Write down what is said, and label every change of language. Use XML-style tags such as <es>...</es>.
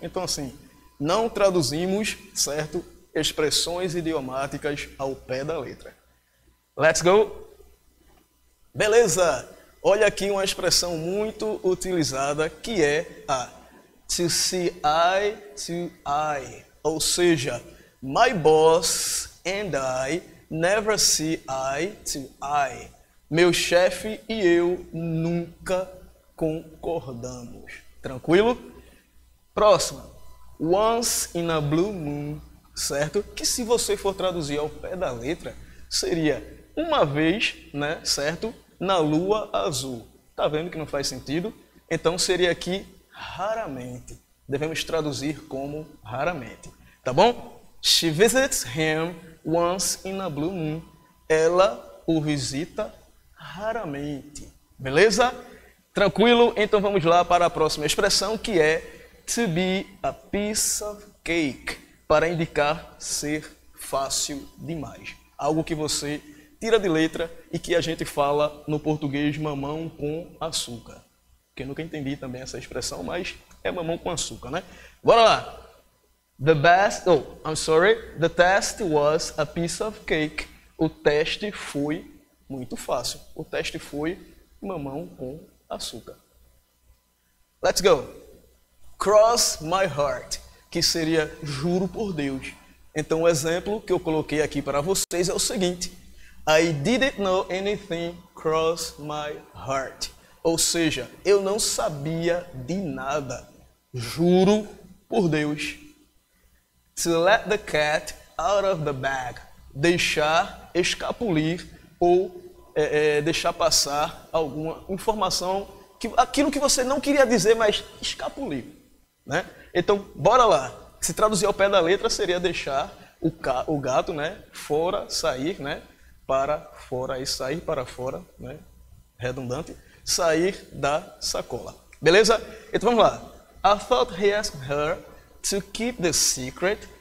<pt>Então, assim, não traduzimos, certo, expressões idiomáticas ao pé da letra.</pt> <en>Let's go!</en> <pt>Beleza! Olha aqui uma expressão muito utilizada, que é a</pt> <en>to see eye to eye.</en> <pt>Ou seja,</pt> <en>my boss and I never see eye to eye.</en> <pt>Meu chefe e eu nunca concordamos. Tranquilo? Próxima,</pt> <en>once in a blue moon,</en> <pt>certo? Que se você for traduzir ao pé da letra, seria uma vez, né, certo? Na lua azul. Tá vendo que não faz sentido? Então seria aqui raramente. Devemos traduzir como raramente, tá bom?</pt> <en>She visits him once in a blue moon.</en> <pt>Ela o visita raramente. Beleza? Tranquilo? Então vamos lá para a próxima expressão, que é</pt> <en>to be a piece of cake,</en> <pt>para indicar ser fácil demais. Algo que você tira de letra e que a gente fala no português mamão com açúcar. Que eu nunca entendi também essa expressão, mas é mamão com açúcar, né? Bora lá!</pt> <en>The test was a piece of cake.</en> <pt>O teste foi muito fácil. O teste foi mamão com açúcar.</pt> <en>Let's go! Cross my heart,</en> <pt>que seria juro por Deus. Então, o exemplo que eu coloquei aqui para vocês é o seguinte.</pt> <en>I didn't know anything, cross my heart.</en> <pt>Ou seja, eu não sabia de nada. Juro por Deus.</pt> <en>To let the cat out of the bag.</en> <pt>Deixar escapulir ou deixar passar alguma informação. Aquilo que você não queria dizer, mas escapulir. Né? Então, bora lá. Se traduzir ao pé da letra, seria deixar o gato, né, fora, sair, né, para fora, e sair para fora, né, redundante, sair da sacola. Beleza? Então, vamos lá.</pt> <en>I thought he asked her to keep the secret.</en>